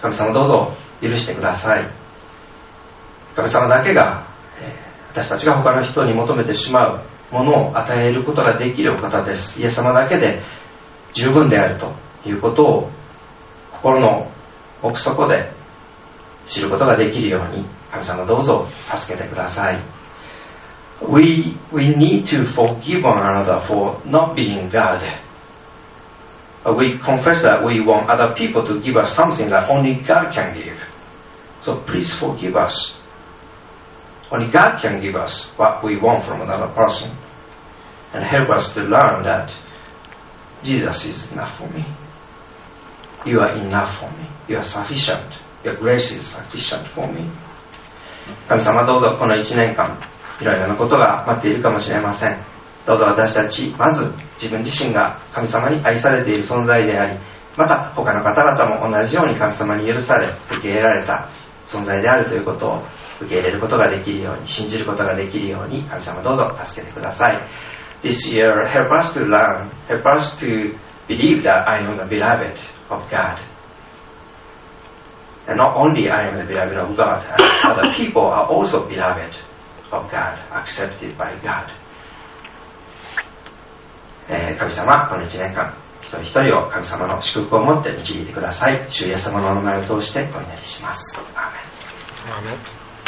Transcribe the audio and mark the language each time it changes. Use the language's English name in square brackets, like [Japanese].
[Japanese] 神様どうぞ許してください。神様だけが私たちが他の人に求めてしまうものを与えることができるお方です。イエス様だけで十分であるということを心の奥底で知ることができるように神様どうぞ助けてください。 [English] We need to forgive one another for not being God. We confess that we want other people to give us something that only God can give. So please forgive us. Only God can give us what we want from another person and help us to learn that Jesus is enough for me. You are enough for me. You are sufficient. Your grace is sufficient for me. [Japanese] 神様どうぞこの1年間いろいろなことが待っているかもしれません。どうぞ私たちまず自分自身が神様に愛されている存在であり、また他の方々も同じように神様に許され受け入れられた存在であるということを受け入れることができるように、信じることができるように神様どうぞ助けてください。 [English] This year help us to learn, help us to believe that I am the beloved of GodAnd not only I am the beloved of God, other people are also beloved of God, accepted by God. [Japanese] 神様、この1年間、一人一人を神様の祝福を持って導いてください。主イエス様のお名前を通してお祈りします。アーメン。アーメン。